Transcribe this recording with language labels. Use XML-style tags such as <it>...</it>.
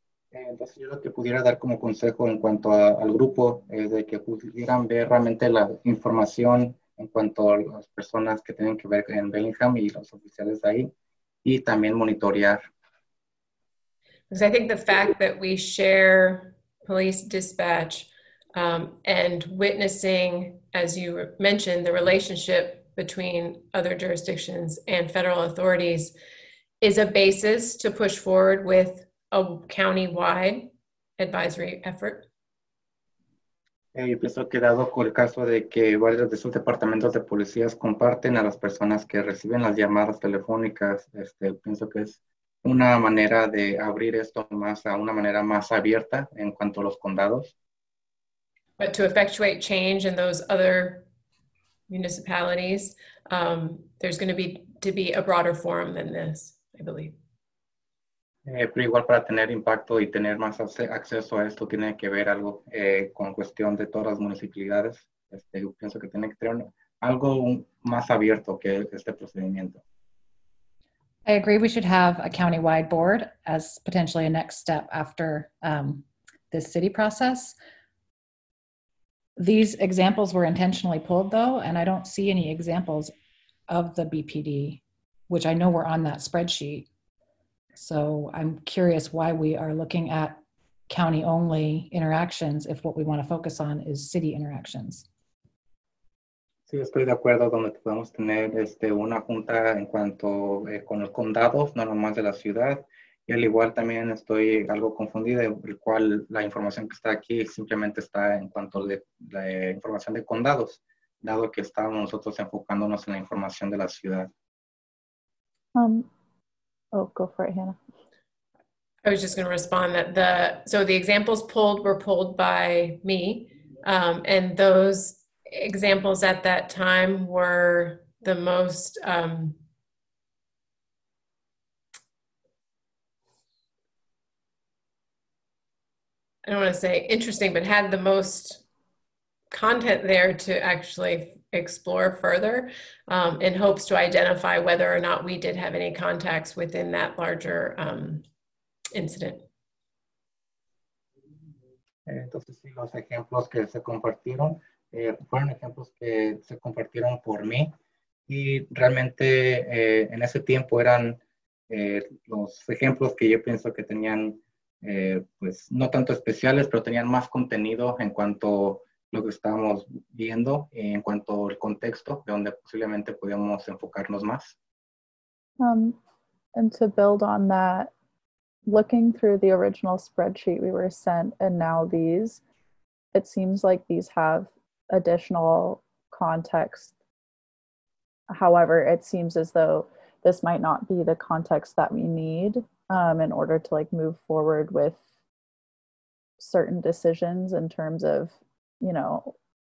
<es>Entonces yo lo que pudiera dar como consejo en cuanto al grupo es de que pudieran ver realmente la información en cuanto a las personas que tienen que ver en Bellingham y los oficiales de ahí, y también monitorear.</es> <en>Because I think the fact that we share police dispatch and witnessing, as you mentioned, the relationship between other jurisdictions and federal authorities is a basis to push forward with a county-wide advisory effort.</en> <es>Yo pienso que dado con el caso de que varios de esos departamentos de policías comparten a las personas que reciben las llamadas telefónicas, pienso que es una manera de abrir esto más a una manera más abierta en cuanto a los condados.</es> <en>But to effectuate change in those other municipalities, there's going to be a broader forum than this, I believe.</en> <es>Pero igual para tener impacto y tener más acceso a esto, tiene que ver algo con cuestión de todas las municipalidades. Yo pienso que tiene que tener algo más abierto que este procedimiento.</es> <en>I agree we should have a county-wide board as potentially a next step after this city process. These examples were intentionally pulled, though, and I don't see any examples of the BPD, which I know were on that spreadsheet. So I'm curious why we are looking at county-only interactions if what we want to focus on is city interactions.</en> <es>Sí, estoy de acuerdo donde podemos tener una junta en cuanto con los condados, no nomás de la ciudad. Y al igual también estoy algo confundido, el cual la información que está aquí simplemente está en cuanto de la información de condados, dado que estamos nosotros enfocándonos en la información de la ciudad.</es> <en>Go for it, Hannah. I was just going to respond that the examples pulled were pulled by me, and those examples at that time were the most I don't want to say interesting, but had the most content there to actually explore further in hopes to identify whether or not we did have any contacts within that larger incident.</en> <es>Entonces, sí, los ejemplos que se compartieron fueron ejemplos que se compartieron por mí, y realmente en ese tiempo eran los ejemplos que yo pienso que tenían pues no tanto especiales, pero tenían más contenido en cuanto lo que estábamos viendo en cuanto al contexto de donde posiblemente podíamos enfocarnos más.</es> <en>And to build on that, looking through the original spreadsheet we were sent and now these, it seems like these have additional context. However, it seems as though this might not be the context that we need in order to like move forward with certain decisions in terms of, you know,</en>